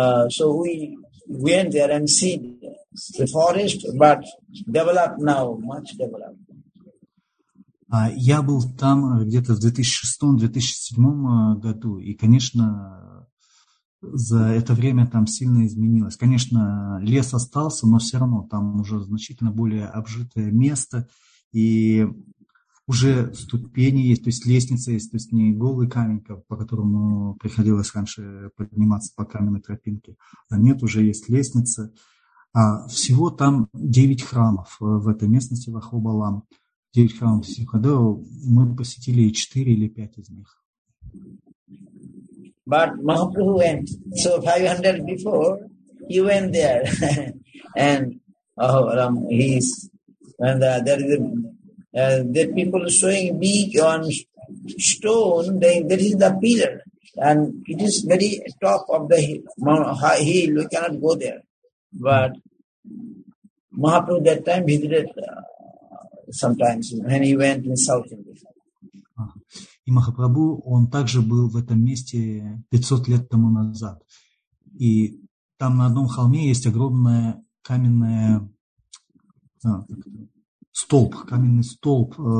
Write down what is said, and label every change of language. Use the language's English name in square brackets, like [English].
[English] So we went there and see the forest, but developed now, much developed. [Russian] Я был там где-то в 2006-2007 году, и, конечно, за это время там сильно изменилось. Конечно, лес остался, но все равно там уже значительно более обжитое место, и уже ступени есть, то есть лестница есть, то есть не голый камень, по которому приходилось раньше подниматься по каменной тропинке, а нет, уже есть лестница. Всего там 9 храмов в этой местности, в Ахобалам. 9 храмов Сихадео, мы посетили 4 или 5 из них. [English] But Mahaprabhu went, so 500 before, he went there. And Ahobalam, he's, and there is the people showing big on stone, there is the pillar, and it is very top of the hill, we cannot go there. But Mahaprabhu that time visited sometimes, when he went in South India. [Russian] И Махапрабху, он также был в этом месте 500 лет тому назад. И там на одном холме есть огромная каменная столб, каменный столб.